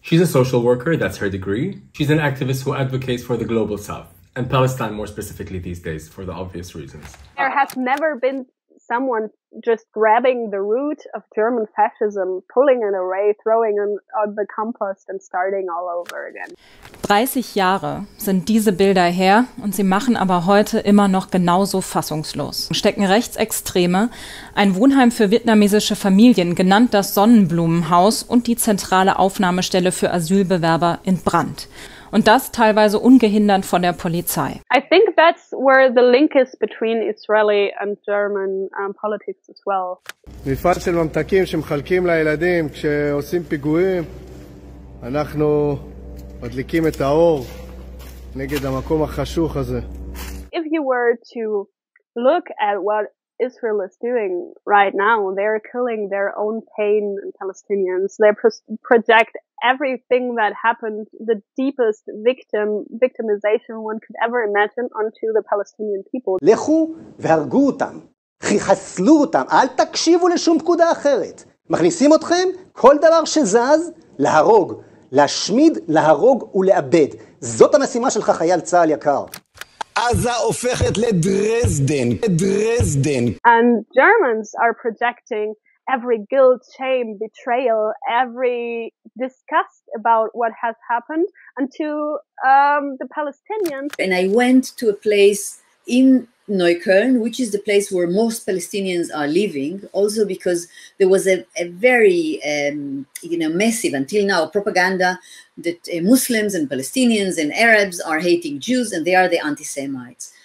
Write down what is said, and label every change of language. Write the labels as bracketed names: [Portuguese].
[English] She's a social worker, that's her degree. She's an activist who advocates for the global south. And Palestine more specifically these days, for the obvious reasons. There has never been someone just grabbing the root of German fascism, pulling it away, throwing it on the compost and starting all over again. [German] 30 Jahre sind diese Bilder her und sie machen aber heute immer noch genauso fassungslos. Stecken Rechtsextreme ein Wohnheim für vietnamesische Familien, genannt das Sonnenblumenhaus, und die zentrale Aufnahmestelle für Asylbewerber in Brand. Und das teilweise ungehindert von der Polizei. [English] I think that's where the link is between Israeli and German politics as well. [Hebrew] מפעל של ממתקים שמחלקים לילדים כשעושים פיגועים, אנחנו מדליקים את האור נגד המקום החשוך הזה. [English] If you were to look at what Israel is doing right now, they're killing their own pain and Palestinians. They project everything that happened, the deepest victimization one could ever imagine, onto the Palestinian people. [Hebrew] לכו והרגו אותם, חסלו אותם, אל תקשיבו לשום פקודה אחרת. מכניסים אתכם, כל דבר שזז, להרוג, להשמיד, להרוג ולאבד. זאת המשימה שלך, חייל צהל יקר. Gaza הופכת לדרזדן, לדרזדן. [English] And Germans are projecting every guilt, shame, betrayal, every disgust about what has happened unto the Palestinians. And I went to a place in Neukölln, which is the place where most Palestinians are living, also because there was a very massive, until now, propaganda that Muslims and Palestinians and Arabs are hating Jews and they are the anti-Semites.